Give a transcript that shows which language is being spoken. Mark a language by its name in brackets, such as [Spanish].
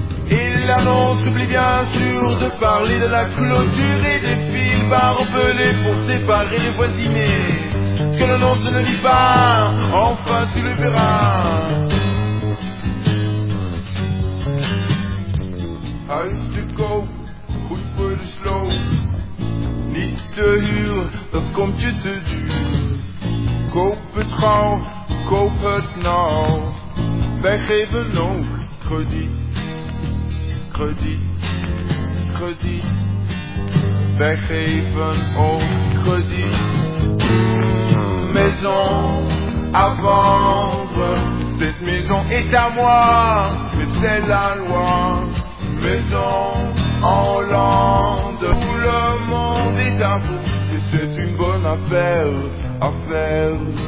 [French] Et l'annonce oublie bien sûr de parler de la clôture et des fils barbelés pour séparer les voisinets. Que l'annonce ne vit pas, enfin tu le verras. [Dutch] Huis te koop, goed voor de sloop. Niet te huur, dat komt je te duur. Koop het gauw, koop het nou. Wij geven ook krediet, krediet, krediet. Wij geven ook krediet. [French] Maison à vendre, cette maison est à moi, mais c'est la loi. Maison en lande, tout le monde est à vous, et c'est une bonne affaire à faire.